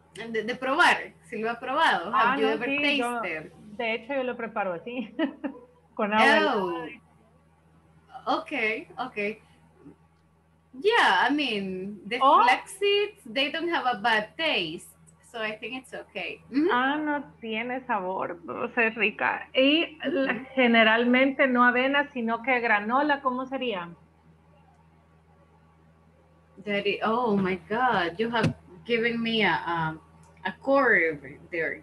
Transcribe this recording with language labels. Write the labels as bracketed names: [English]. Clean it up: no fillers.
[Spanish] De probar, si lo ha probado. [English] Have you ever tasted? [Spanish] De hecho, yo lo preparo así. Con [English] okay. Yeah, I mean, the flax seeds, they don't have a bad taste. So I think it's okay. [Spanish] Mm-hmm. Ah, no tiene sabor, o sea, es rica. Y generalmente no avena, sino que granola, ¿cómo sería? [English] Daddy, oh my God, you have given me a curve there.